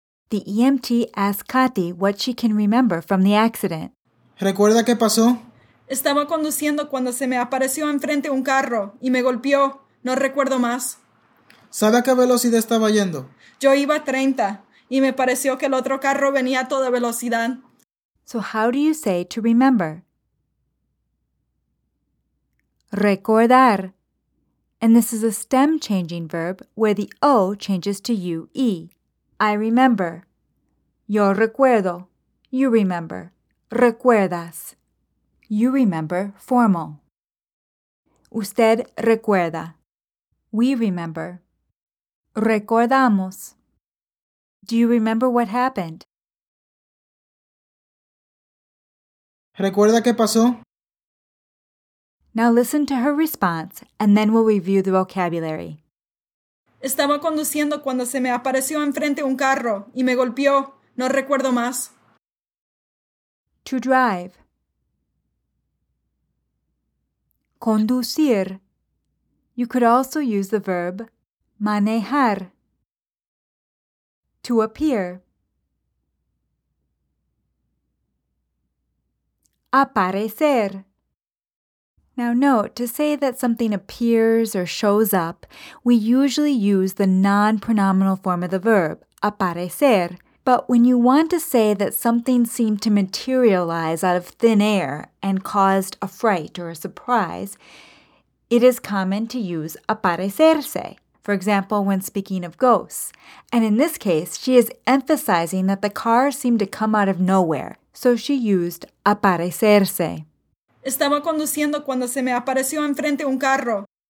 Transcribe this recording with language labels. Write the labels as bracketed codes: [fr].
[en] The EMT asked Katy what she can remember from the accident. [es] ¿Recuerda qué pasó? Estaba conduciendo cuando se me apareció enfrente un carro y me golpeó. No recuerdo más. ¿Sabe a qué velocidad estaba yendo? Yo iba a 30 y me pareció que el otro carro venía a toda velocidad. [en] So how do you say to remember? [es] Recordar. [en] And this is a stem-changing verb where the O changes to U-E. I remember. [es] Yo recuerdo. [en] You remember. [es] Recuerdas. [en] You remember formal. Usted recuerda. We remember. [es] Recordamos. [en] Do you remember what happened? [es] ¿Recuerda qué pasó? [en] Now listen to her response and then we'll review the vocabulary. [es] Estaba conduciendo cuando se me apareció enfrente un carro y me golpeó. No recuerdo más. [en] To drive. Conducir. You could also use the verb manejar. To appear. [es] Aparecer. [en] Now note, to say that something appears or shows up, we usually use the non-pronominal form of the verb, aparecer, But when you want to say that something seemed to materialize out of thin air and caused a fright or a surprise, it is common to use aparecerse, for example, when speaking of ghosts. And in this case, she is emphasizing that the car seemed to come out of nowhere, so she used aparecerse. [es] Estaba conduciendo cuando se me apareció enfrente un carro.